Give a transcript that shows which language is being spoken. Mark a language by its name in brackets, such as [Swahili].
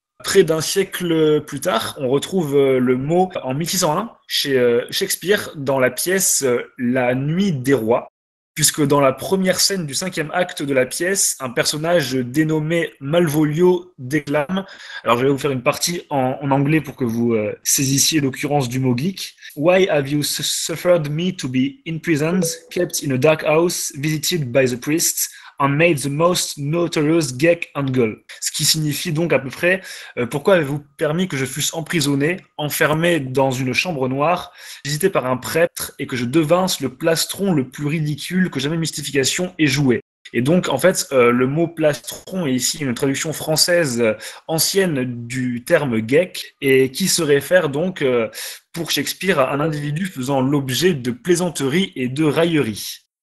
[French] Près d'un siècle plus tard, on retrouve le mot en 1601 chez Shakespeare dans la pièce La Nuit des Rois, puisque dans la première scène du cinquième acte de la pièce, un personnage dénommé Malvolio déclame, alors je vais vous faire une partie en anglais pour que vous saisissiez l'occurrence du mot geek. [English] Why have you suffered me to be imprisoned, kept in a dark house, visited by the priest? And made the most notorious geek angle. [French] Ce qui signifie donc à peu près pourquoi avez-vous permis que je fusse emprisonné, enfermé dans une chambre noire, visité par un prêtre et que je devinsse le plastron le plus ridicule que jamais mystification ait joué. Et donc en fait le mot plastron est ici une traduction française ancienne du terme geek et qui se réfère donc pour Shakespeare à un individu faisant l'objet de plaisanteries et de railleries.